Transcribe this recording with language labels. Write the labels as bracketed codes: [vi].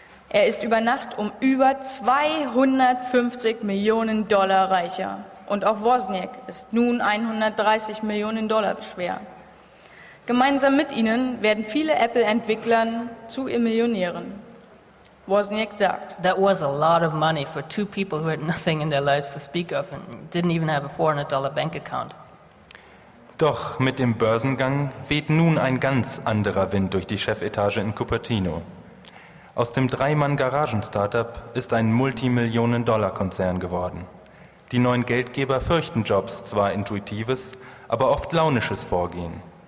[de] Er ist über Nacht um über 250 Millionen Dollar reicher. Und auch Wozniak ist nun 130 Millionen Dollar schwer. Gemeinsam mit ihnen werden viele Apple-Entwickler zu Millionären. Wozniak sagt: [en] That was a lot of money for two people who had nothing in their lives to speak of and didn't even have a $400 bank account. [de] Doch mit dem Börsengang weht nun ein ganz anderer Wind durch die Chefetage in Cupertino. Aus dem Dreimann-Garagen-Startup ist ein Multimillionen-Dollar-Konzern geworden. Die neuen Geldgeber fürchten Jobs zwar intuitives, aber oft launisches Vorgehen.